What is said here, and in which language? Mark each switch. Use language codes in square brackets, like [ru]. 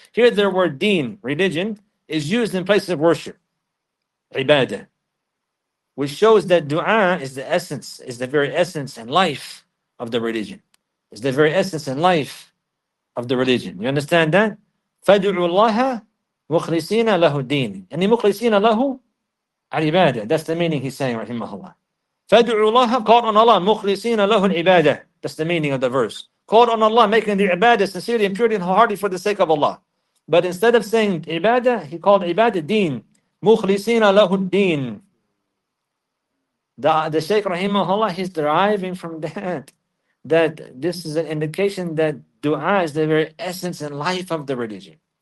[en] Here the word deen, religion, is used in place of worship, ibadah, which shows that dua is the essence, is the very essence and life of the religion. Is the very essence and life of the religion. You understand that? [ar] فَدْعُوا اللَّهَ مُخْلِصِينَ لَهُ الدِّينِ يعني مُخْلِصِينَ لَهُ الْعِبَادَةِ. [en] That's the meaning he's saying, rahimahullah. [ar] فَدْعُوا اللَّهَ, [en] call on Allah, [ar] مُخْلِصِينَ لَهُ الْعِبَادَةِ. [en] That's the meaning of the verse. Call on Allah, making the ibadah sincerely and purely and wholeheartedly for the sake of Allah. But instead of saying ibadah, he called ibadah deen. [ar] مُخْلِصِينَ لَهُ الدِّينِ. [en] The Sheikh Rahimahullah, he's deriving from that this is an indication that dua is the very essence and life of the religion.